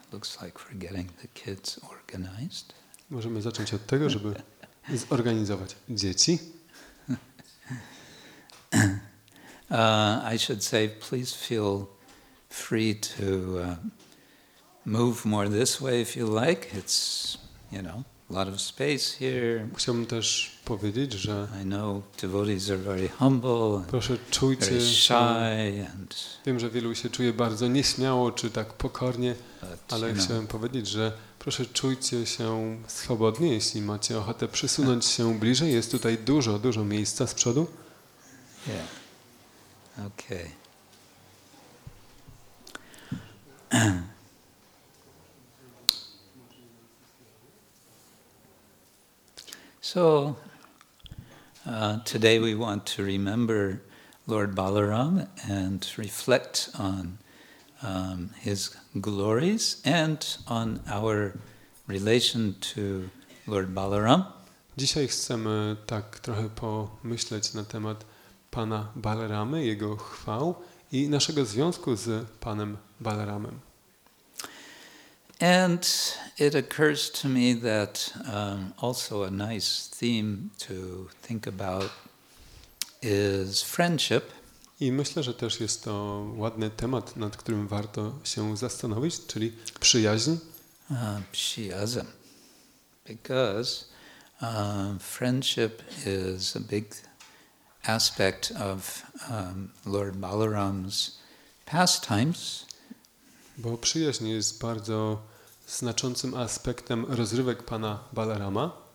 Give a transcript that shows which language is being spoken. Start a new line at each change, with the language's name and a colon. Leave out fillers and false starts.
English: Looks like we're getting the kids organized.
Polish: Możemy zacząć od tego, żeby zorganizować dzieci.
English: I should say, please feel free to move more this way if you like. It's, you know, a lot of space here.
Polish: Chciałbym też powiedzieć, że
English: I know devotees are very humble.
Polish: Proszę czujcie
English: very shy and
Polish: wiem, że wielu się czuje bardzo nieśmiało czy tak pokornie. Ale chciałem powiedzieć, że proszę czujcie się swobodnie, jeśli macie ochotę przysunąć się bliżej. Jest tutaj dużo, dużo miejsca z przodu.
English: Yeah. Okay. So today we want to remember Lord Balaram and reflect on his glories and on our relation to Lord Balaram.
Polish: Dzisiaj chcemy tak trochę pomyśleć na temat Pana Balaramy, jego chwał i naszego związku z Panem Balaramem.
English: And it occurs to me that also a nice theme to think about is friendship.
Polish: I myślę, że też jest to ładny temat, nad którym warto się zastanowić, czyli przyjaźń. Przyjaźń. Because
English: Friendship is a big aspect of Lord Balaram's pastimes.
Polish: Bo przyjaźń jest bardzo znaczącym aspektem rozrywek pana Balarama.